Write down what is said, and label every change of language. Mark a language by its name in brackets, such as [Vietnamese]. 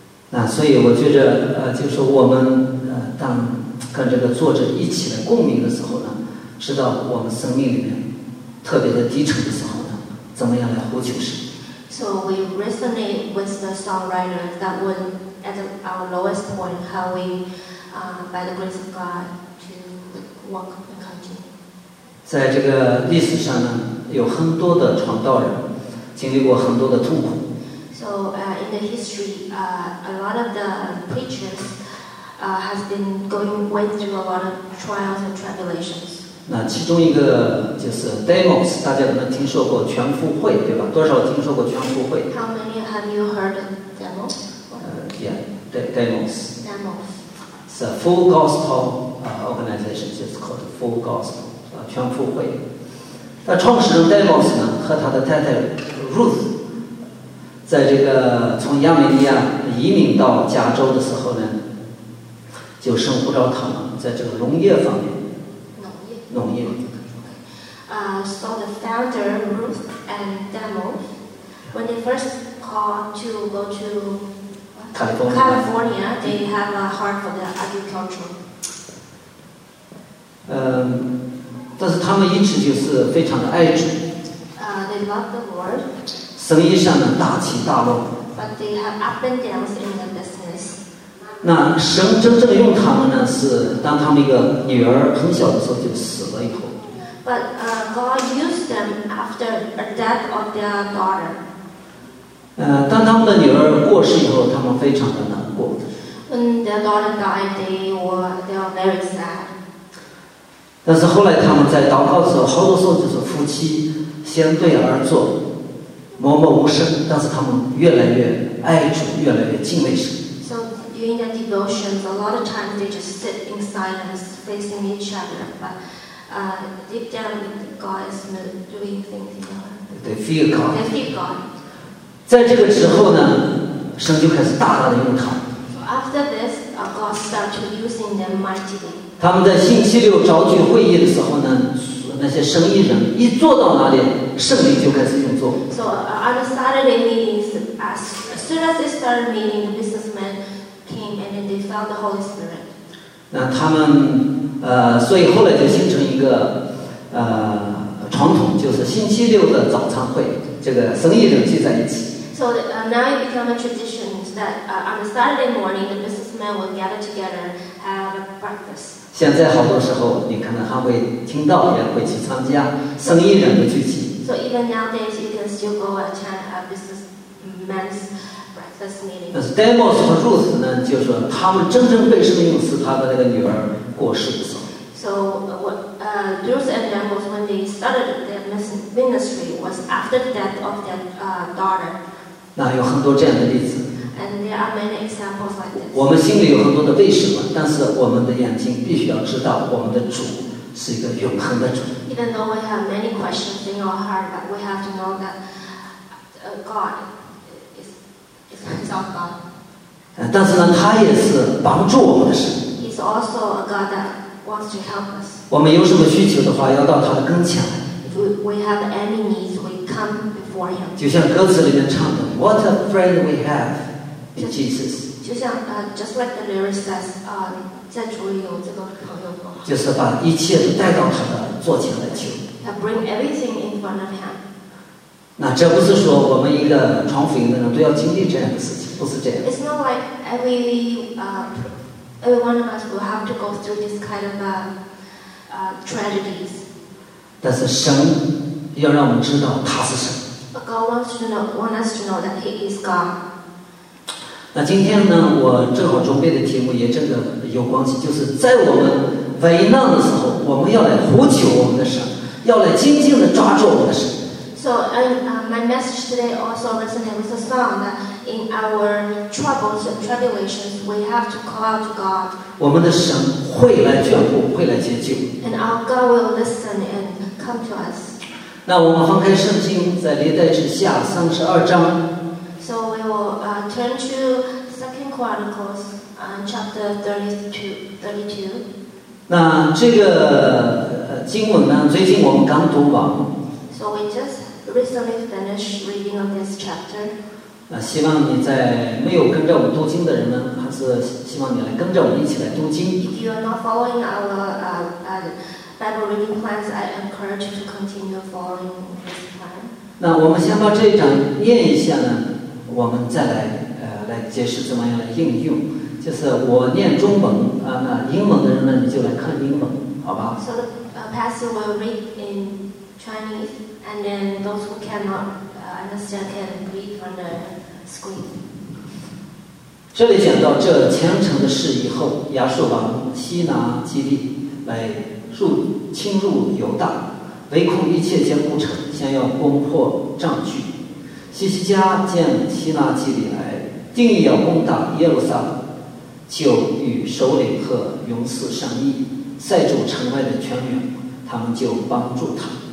[Chinese] 那所以我觉着就是我们当跟这个作者一起来共鸣的时候呢，知道我们生命里面。特别的低沉的时候呢，怎么样来呼求神 [English] ？So we resonate with the songwriter that when at our lowest point, how we, by the grace of God, to walk and continue. [Chinese] 在这个历史上呢，有很多的传道人经历过很多的痛苦。 [English] So, in the history, a lot of the preachers, has been went through a lot of trials and tribulations. [Chinese] 那其中一个就是 Demos， 大家可能听说过全福会，对吧？多少听说过全福会 [English] ？How many have you heard of Demos？ Yeah, Demos. Demos. It's a full gospel organization. It's called full gospel， 全福会。 [Chinese] 那创始人 Demos 呢，和他的太太 Ruth， 在这个从亚美尼亚移民到加州的时候呢，就生活着他们在这个农业方面。农业。 [English] So the founder Ruth and Demos, when they first called to go to California, they have a heart for the agriculture. [Chinese] 但是他们一直就是非常的爱主。 [English] They love the Lord. [Chinese] 生意上呢大起大落。 [English] But they have up and downs in the business. [Chinese] 那神真正用他们呢，是当他们一个女儿很小的时候就死。 [English] But God used them after the death of their daughter. [Chinese] 当他们的女儿过世以后，他们非常的难过。 [English] When their daughter died, they were very sad. [Chinese] 但是后来他们在祷告的时候，好多时候就是夫妻相对而坐，默默无声。但是他们越来越爱主，越来越敬畏神。 [English] So during their devotions, a lot of times they just sit in silence, facing each other, but. Deep down, God is doing things in them. They feel God. They feel God. [Chinese] 在这个之后呢，神就开始大大的用他。 [English] After this, God started using them mightily. [Chinese] 他们在星期六召集会议的时候呢，那些生意人一坐到哪里，圣灵就开始运作。 [English] So on Saturday meetings, as soon as they started meeting, the businessmen came and then they found the Holy Spirit. [Chinese] 那他们所以后来就形成一个传统，就是星期六的早餐会，这个生意人聚在一起。 [English] So now it became a tradition that on a Saturday morning, the businessmen will gather together, have breakfast. [Chinese] 现在好多时候，你可能还会听到，也会去参加生意人的聚集。 [English] So even nowadays, you can still go attend a businessman's breakfast meeting. [Chinese] 但是 Demos 和 Ruth 呢，就是他们真正被圣灵赐他的那个女儿过世的时候。 [English] So Ruth and Demos, when they started their ministry, was after the death of their daughter. [Chinese] 那有很多这样的例子。 [English] And there are many examples like this. [Chinese] 我们心里有很多的为什么，但是我们的眼睛必须要知道，我们的主是一个永恒的主。 [English] Even though we have many questions in our heart, but we have to know that God is our God. [Chinese] 但是呢，他也是帮助我们的神。 [English] He's also a God that wants to help us. [Chinese] 我们有什么需求的话，要到他的跟前来。 [English] If we have any needs, we come before him. [Chinese] 就像歌词里面唱的 ， [English] What a friend we have. Jesus. [Chinese] 就像 [English] just like the lyrics says, [Chinese] 在主里有这个朋友吗？就是把一切都带到他的座前来求。 [English] To bring everything in front of him. [Chinese] 那这不是说我们一个传福音的人都要经历这样的事情，不是这样。 [English] It's not like every one of us will have to go through this kind of tragedies. [Chinese] 但是神要让我们知道他是神。 [English] But God wants us to know that He is God. [Chinese] 那今天呢，我正好准备的题目也真的有关系，就是在我们危难的时候，我们要来呼求我们的神，要来紧紧地抓住我们的神。 [English] So, my message today also resonates with a song that in our troubles and tribulations, we have to call out to God. [Chinese] 我们的神会来眷顾，会来解救。 [English] And our God will listen and come to us. [Chinese] 那我们翻开圣经，在历代志下32章。 [English] So we will turn to 2 Chronicles chapter 32. [Chinese] 那这个经文呢，最近我们刚读完。 [English] So we just recently finished reading of this chapter. [Chinese] 那希望你在没有跟着我们读经的人呢，还是希望你来跟着我们一起来读经。 [English] If you are not following our Bible reading plans, I encourage you to continue following this plan. [Chinese] 那我们先把这一章念一下呢。我们再来来解释怎么样来应用，就是我念中文啊，那英文的人呢，你就来看英文，好吧 [English] ？So the pastor will read in Chinese, and then those who cannot understand can read from the screen. [Chinese] 这里讲到这虔诚的事以后，亚述王西拿基利来入侵入犹大，围困一切坚固城，想要攻破占据。西西家见希拿基里来，定义要攻打耶路撒冷，就与首领和勇士商议，塞住城外的全员，他们就帮助他。